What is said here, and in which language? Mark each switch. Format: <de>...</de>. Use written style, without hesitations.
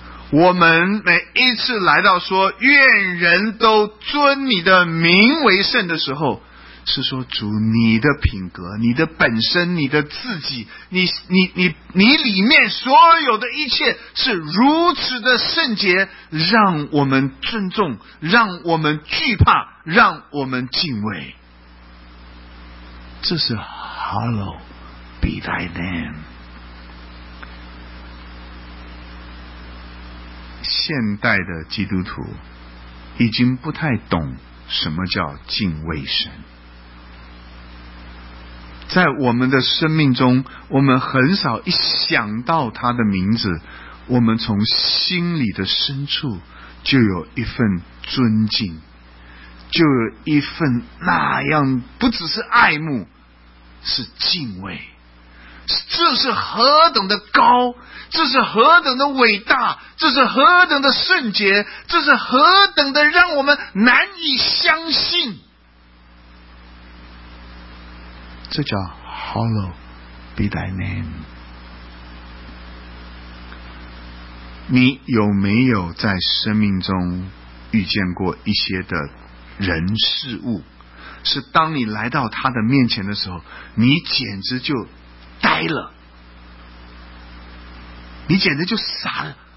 <zh>我们每一次来到说愿人都尊你的名为圣的时候，是说主你的品格、你的本身、你的自己、你里面所有的一切是如此的圣洁，让我们尊重，让我们惧怕，让我们敬畏。这是</zh> <en>Hallowed be thy name。</en> <zh>现代的基督徒已经不太懂什么叫敬畏神。在我们的生命中，我们很少一想到他的名字，我们从心里的深处就有一份尊敬，就有一份那样不只是爱慕，是敬畏。这是何等的高，这是何等的伟大，这是何等的圣洁，这是何等的让我们难以相信。这叫</zh> <en>Hallowed be thy name。</en> <zh>你有没有在生命中遇见过一些的人事物，是当你来到他的面前的时候，你简直就呆了，你简直就傻了。</zh>